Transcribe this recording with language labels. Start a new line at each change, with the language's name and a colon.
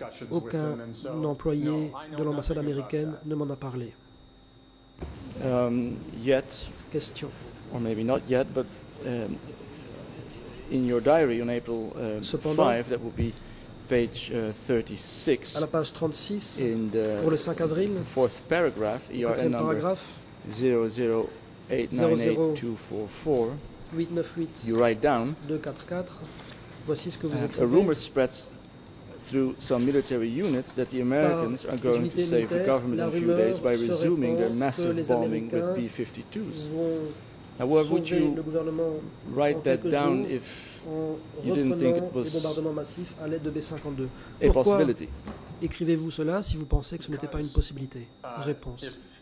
French: Aucun employé de l'ambassade américaine ne m'en a parlé.
English: Yet. Question. Or maybe not yet, but in your diary on April 5, that would be page 36.
French: À la page 36,
English: in the
French: pour le 5 avril,
English: fourth paragraph, ERN number 00898244, you write down,
French: 244. Voici ce que vous écrivez.
English: A rumor spreads through some military units that the Americans are going to save the government in a few days by resuming their massive bombing with B-52s. Now, why would you write that down if you didn't think it was a possibility?
French: Écrivez-vous cela si vous pensez que ce n'était pas une possibilité? Réponse.